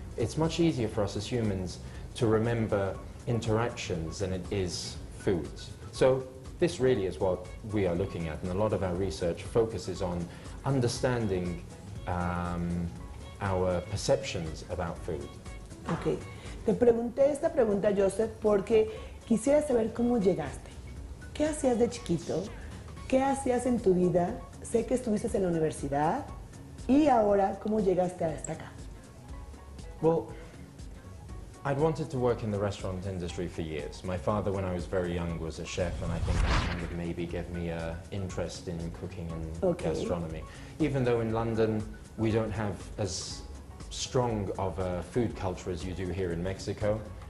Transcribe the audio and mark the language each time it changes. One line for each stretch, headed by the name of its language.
English: It's much easier for us as humans to remember interactions than it is foods. So this really is what we are looking at, and a lot of our research focuses on understanding our perceptions about food. Okay.
Spanish: Te pregunté esta pregunta, Josef, porque quisiera saber cómo llegaste. ¿Qué hacías de chiquito? ¿Qué hacías en tu vida? Sé que estuviste en la universidad. ¿Y ahora cómo llegaste hasta acá?
English: Well, I'd wanted to work in the restaurant industry for years. My father, when I was very young, was a chef, and I think that kind of maybe gave me an interest in cooking and gastronomy. Even though in London, we don't have as strong of a food culture as you do here in Mexico.